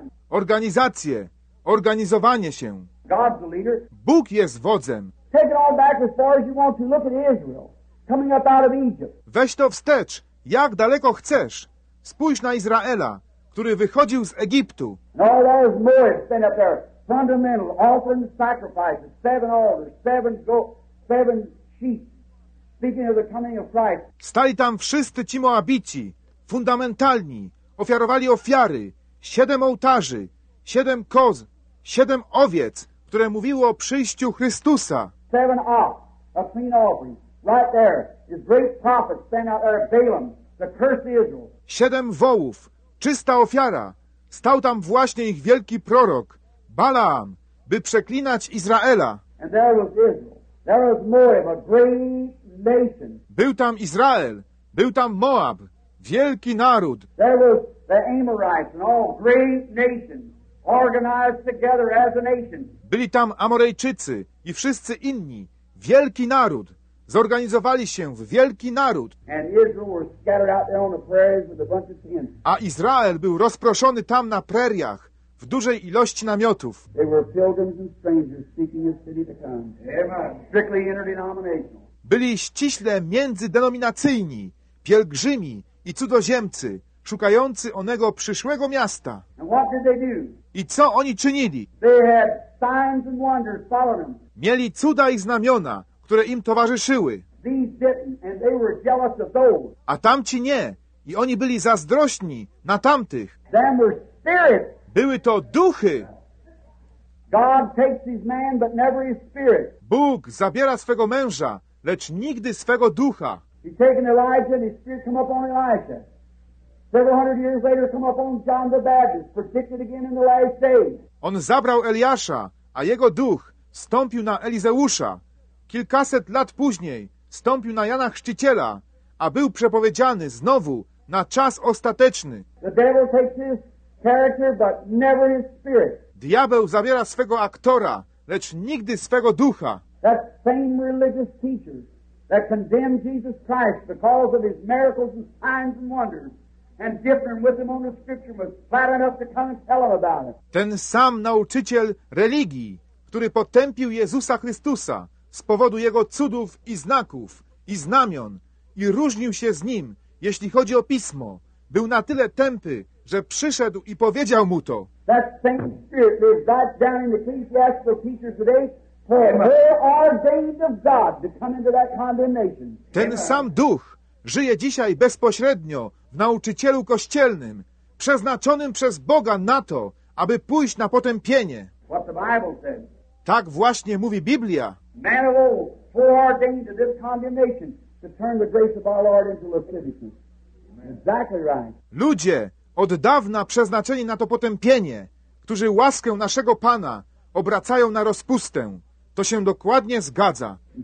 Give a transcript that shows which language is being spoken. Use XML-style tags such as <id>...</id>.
<pl>Organizacje, organizowanie się.</pl> <en>God's the leader.</en> <pl>Bóg jest wodzem.</pl> <en>Take it all back as far as you want to. Look at Israel coming up out of Egypt.</en> <pl>Weź to wstecz, jak daleko chcesz. Spójrz na Izraela, który wychodził z Egiptu.</pl> <en>No, that was Moses standing up there, fundamental, offering the sacrifices, seven altars, seven goats, seven sheep, speaking of the coming of Christ.</en> <pl>Stali tam wszyscy ci Moabici, fundamentalni, ofiarowali ofiary, siedem ołtarzy, siedem koz, siedem owiec, które mówiło o przyjściu Chrystusa.</pl> <en>Seven ox, a clean offering. Right there, his great prophet stand out there, Balaam, the curse of Israel.</en> <pl>Siedem wołów, czysta ofiara. Stał tam właśnie ich wielki prorok, Balaam, by przeklinać Izraela.</pl> <en>And there was Israel. There was Moab, a great nation.</en> <pl>Był tam Izrael, był tam Moab, wielki naród.</pl> <en>There was the Amorites and all great nations. Organized together as a nation.</en> <pl>Byli tam Amorejczycy i wszyscy inni. Wielki naród. Zorganizowali się w wielki naród.</pl> <en>And Israel were scattered out there on the prairies with a bunch of tents.</en> <pl>A Izrael był rozproszony tam na preriach w dużej ilości namiotów.</pl> <en>They were pilgrims and strangers seeking a city to come. Strictly interdenominational.</en> <pl>Byli ściśle międzydenominacyjni, pielgrzymi i cudzoziemcy, szukający onego przyszłego miasta.</pl> <en>And what did they do?</en> <pl>I co oni czynili?</pl> <en>They had signs and wonders following them.</en> <pl>Mieli cuda i znamiona, które im towarzyszyły.</pl> <en>These didn't, and they were jealous of those.</en> <pl>A tamci nie. I oni byli zazdrośni na tamtych.</pl> <en>Them were spirits.</en> <pl>Były to duchy.</pl> <en>God takes his man, but never his spirit.</en> <pl>Bóg zabiera swego męża, lecz nigdy swego ducha.</pl> <en>He's taken Elijah and his spirit come up on Elijah. Several hundred years later come up on John the Baptist, predicted again in the last days.</en> <pl>On zabrał Eliasza, a jego duch stąpił na Elizeusza. Kilkaset lat później stąpił na Jana Chrzciciela, a był przepowiedziany znowu na czas ostateczny.</pl> <en>The devil takes his character, but never his spirit.</en> <pl>Diabeł zabiera swego aktora, lecz nigdy swego ducha.</pl> <en>That same religious teacher that condemned Jesus Christ because of his miracles and signs and wonders and differing with him on the scripture was flat enough to come and tell him about it.</en> <pl>Ten sam nauczyciel religii, który potępił Jezusa Chrystusa z powodu jego cudów i znaków i znamion i różnił się z nim, jeśli chodzi o pismo, był na tyle tępy, że przyszedł i powiedział mu to.</pl> <en>That same spirit lives right down in the ecclesiastical teachers today, ordained of God to come into that condemnation.</en> <pl>Ten sam duch żyje dzisiaj bezpośrednio w nauczycielu kościelnym, przeznaczonym przez Boga na to, aby pójść na potępienie.</pl> <en>What the Bible says.</en> <pl>Tak właśnie mówi Biblia.</pl> <en>Man of old, foreordained to this condemnation to turn the grace of our Lord into lasciviousness. Exactly right.</en> <pl>Ludzie od dawna przeznaczeni na to potępienie, którzy łaskę naszego Pana obracają na rozpustę. To się dokładnie zgadza.</pl>